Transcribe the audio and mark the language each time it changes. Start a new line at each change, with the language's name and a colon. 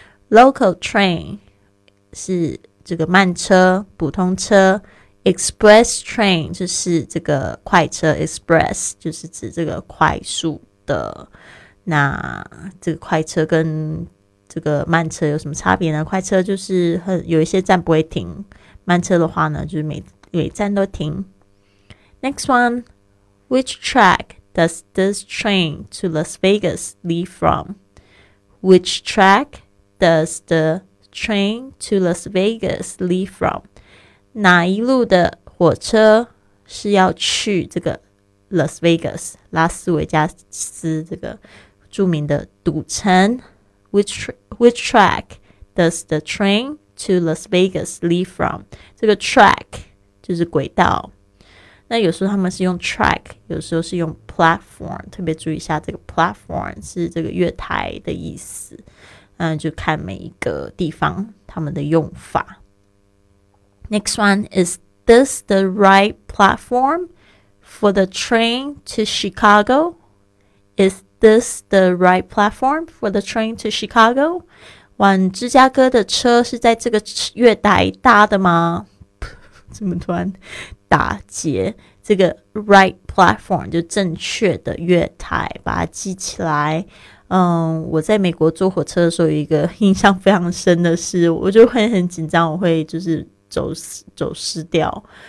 Chinese: local train 是这个慢车普通车， express train 就是这个快车， express 就是指这个快速的。那这个快车跟这个慢车有什么差别呢？快车就是很有一些站不会停，慢车的话呢就是 每站都停。
English: Next one, which track does this train to Las Vegas leave from? Which track does the train to Las Vegas leave from?
Chinese: 哪一路的火车是要去这个 Las Vegas 拉斯维加斯这个著名的赌城。
English: which track does the train to Las Vegas leave from?
Chinese: 这个 track 就是轨道，那有时候他们是用 track， 有时候是用 platform， 特别注意一下这个 platform 是这个月台的意思，就看每一个地方他们的用法。
English: Next one, is this the right platform for the train to Chicago? Is this the right platform for the train to Chicago?
Chinese: 往芝加哥的车是在这个月台搭的吗？怎么突然打结？这个 right platform 就正确的月台，把它记起来。我在美国坐火车的时候，有一个印象非常深的是，我就会很紧张，我会就是走失掉。